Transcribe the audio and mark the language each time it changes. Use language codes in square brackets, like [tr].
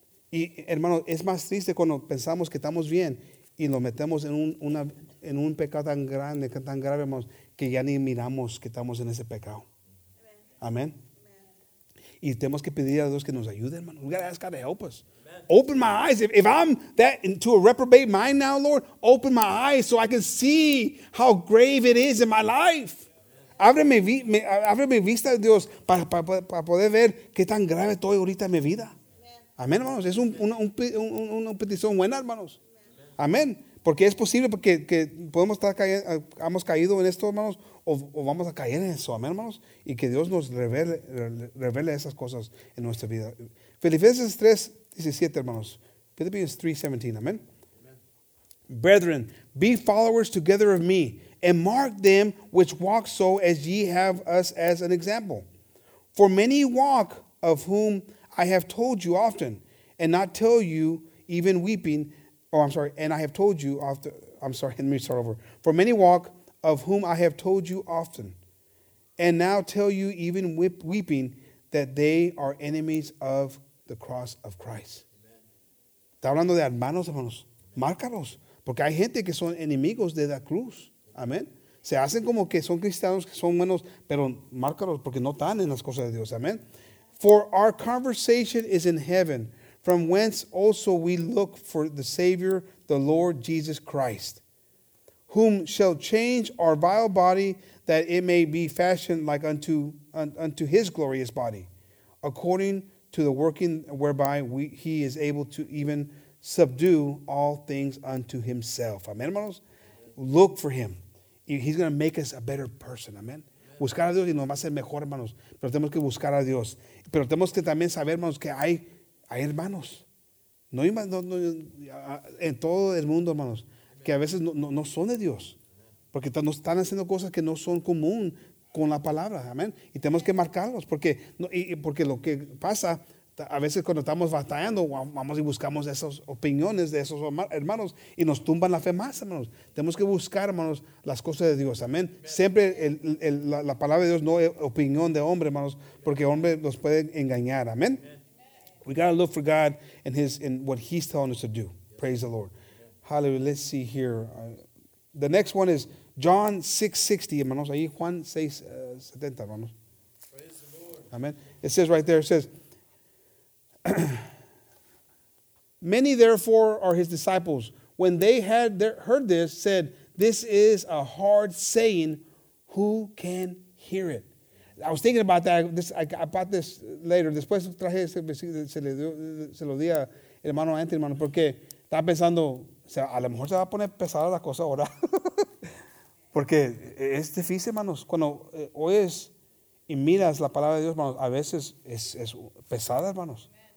[es] Y hermanos, es más triste cuando pensamos que estamos bien y nos metemos en un pecado tan grande, tan grave, hermanos, que ya ni miramos que estamos en ese pecado. Amén. Y tenemos que pedir a Dios que nos ayude, hermanos. [en] We gotta ask God to help us. Amen. Open my eyes. If I'm that into a reprobate mind now, Lord, open my eyes so I can see how grave it is in my life. [es] Ábreme vista, Dios, para poder ver qué tan grave estoy ahorita en mi vida. Amén, hermanos. Es una petición buena, hermanos. Amén. Porque es posible que podemos estar hemos caído en esto, hermanos, o vamos a caer en eso, amén, hermanos, y que Dios nos revele esas cosas en nuestra vida. Filipenses 3:17, hermanos. Filipenses 3:17, amén. [en] Brethren, be followers together of me, and mark them which walk so as ye have us as an example. For many walk, of whom I have told you often, and not tell you, even weeping. For many walk, of whom I have told you often, and now tell you even weeping, that they are enemies of the cross of Christ. [es] Amen. Está hablando de hermanos, hermanos. Márcalos. Porque hay gente que son enemigos de la cruz. Amén. Se hacen como que son cristianos, que son buenos, pero márcalos porque no están en las cosas de Dios. Amén. [en] For our conversation is in heaven, from whence also we look for the Savior, the Lord Jesus Christ, whom shall change our vile body, that it may be fashioned like unto his glorious body, according to the working whereby he is able to even subdue all things unto himself. Amen, [es] hermanos? [en] Look for him. He's going to make us a better person. Amen? [es] Buscar a Dios y nos va a ser mejor, hermanos. Pero tenemos que buscar a Dios. Pero tenemos que también saber, hermanos, que hay hermanos, no, en todo el mundo, hermanos, que a veces no son de Dios, porque no están haciendo cosas que no son común con la palabra, amén. Y tenemos que marcarlos, porque lo que pasa, a veces cuando estamos batallando, vamos y buscamos esas opiniones de esos hermanos y nos tumban la fe más, hermanos. Tenemos que buscar, hermanos, las cosas de Dios, amén. Siempre la palabra de Dios no es opinión de hombre, hermanos, porque hombre nos puede engañar, amén. [en] We got to look for God and what he's telling us to do. Yes. Praise the Lord. Yes. Hallelujah. Let's see here. The next one is John 6:60, [es] hermanos. Ahí Juan 6:70, hermanos. [en] Praise the Lord. Amen. It says right there, it says, many therefore are his disciples. When they had heard this, said, this is a hard saying. Who can hear it? I was thinking about that. I bought this later. [es] Después traje ese versículo, se lo di a hermano Anthony, hermano, porque estaba pensando, a lo mejor se va a poner pesada la cosa ahora. Porque es difícil, hermanos. Cuando oyes y miras la palabra de Dios, hermanos, a veces es pesada, hermanos.